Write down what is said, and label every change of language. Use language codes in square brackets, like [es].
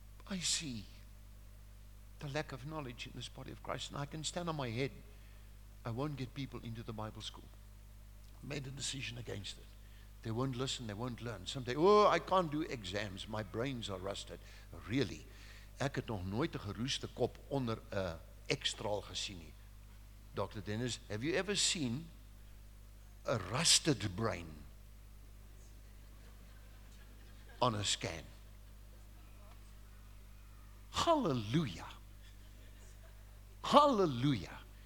[en] I see the lack of knowledge in this body of Christ, and I can stand on my head. I won't get people into the Bible school. I made a decision against it. They won't listen. They won't learn. Someday, oh, I can't do exams. My brains are rusted. Really? [af] Ek het nog nooit 'n geroeste kop onder 'n X-straal gesien nie. [en] Dr. Dennis, have you ever seen a rusted brain on a scan? Hallelujah. Hallelujah.